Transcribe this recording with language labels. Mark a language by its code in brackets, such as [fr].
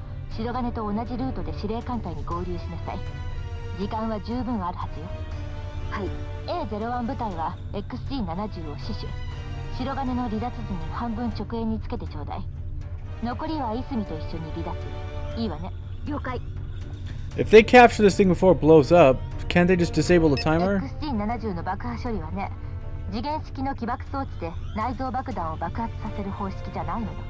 [ja] 白金と同じルートで司令艦隊に合流しなさい。時間は十分あるはずよ。はい。 A01 部隊は XG70 を死守。白金の離脱時に半分直営につけてちょうだい。残りはイスミと一緒に離脱。いいわね。了解。 [en] If they capture this thing before it blows up, can't they just disable the timer? [ja] XG70 の爆破処理はね、次元式の起爆装置で内蔵爆弾を爆発させる方式じゃないのよ。